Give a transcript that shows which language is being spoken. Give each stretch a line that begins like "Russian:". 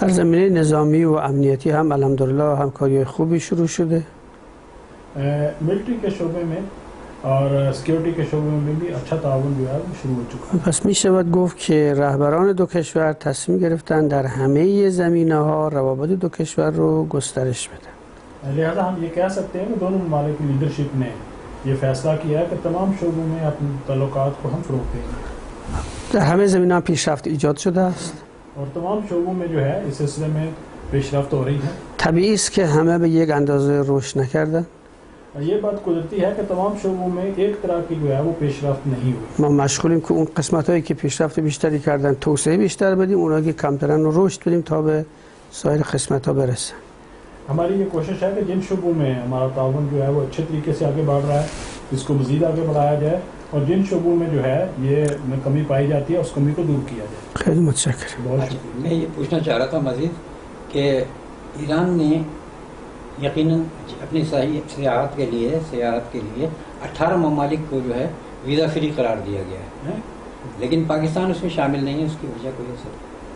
Persian: در زمینه نظامی و امنیتی هم الحمدللہ همکاری خوبی شروع شده.
Urdu: ملٹری کے شعبے میں اور سکیورٹی کے شعبے میں بھی اچھا تعاون جو ہے شروع ہو چکا ہے.
Persian: پس می شود گفت کہ رهبران دو کشور تصمیم گرفتن در همه زمینه ها روابط دو کشور رو گسترش بدن.
Urdu: لہذا ہم یہ کہہ سکتے ہیں کہ دونوں ممالک کی لیڈرشپ نے یہ فیصلہ کیا ہے کہ تمام شعبوں میں اپنے تعلقات کو ہم فروغ دیں گے.
Persian: در همه زمینه ها پیشرفت ایجاد شده است
Urdu: اور تمام شعبوں میں جو ہے اس سلسلے میں پیشرفت ہو رہی ہے.
Persian: طبیعی است کہ ہمیں به یک اندازه روش نکردن.
Urdu: یہ بات قدرتی ہے کہ تمام شعبوں میں ایک طرح کی جو ہے وہ پیشرفت نہیں ہوئی.
Persian: ما مشغولیم کہ ان قسمتایی کہ پیشرفت بیشتری کردن توسعه بیشتر بدیم، اونایی کہ کمترن رو رشد بدیم تا به سایر قسمتا برسن.
Urdu: ہماری یہ کوشش ہے کہ جن شعبوں میں ہمارا تعاون جو ہے وہ اچھے طریقے سے آگے بڑھ رہا ہے اس کو مزید آگے بڑھایا جائے اور جن شعبوں میں جو ہے یہ کمی پائی جاتی ہے اس کمی کو دور کیا جائے.
Persian: خیر متشکر.
Urdu: میں یہ پوچھنا چاہ رہا تھا مزید کہ ایران نے یقیناً اپنی سیاحت کے لیے 18 ممالک کو جو ہے ویزا فری قرار دیا گیا ہے، لیکن پاکستان اس میں شامل نہیں ہے، اس کی وجہ کوئی اثر؟